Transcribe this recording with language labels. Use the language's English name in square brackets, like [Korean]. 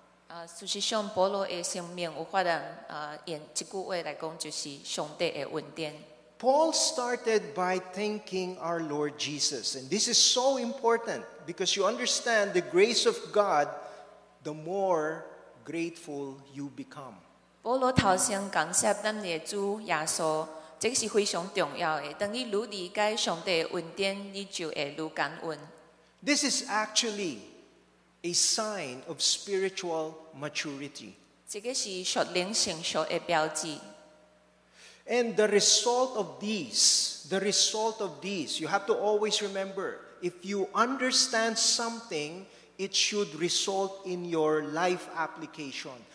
[English] Paul's life Paul started by thanking our Lord Jesus. And this is so important because you understand the grace of God, the more grateful you become. [Min Nan Chinese] 保罗头先感谢咱们的主耶稣，这是非常重要的。等你愈理解上帝恩典，你就会愈感恩。 [English] This is actually a sign of spiritual maturity. [Min Nan Chinese] 这个是属灵成熟的标志。 [English] And the result of these, you have to always remember, if you understand something, it should result in your life application.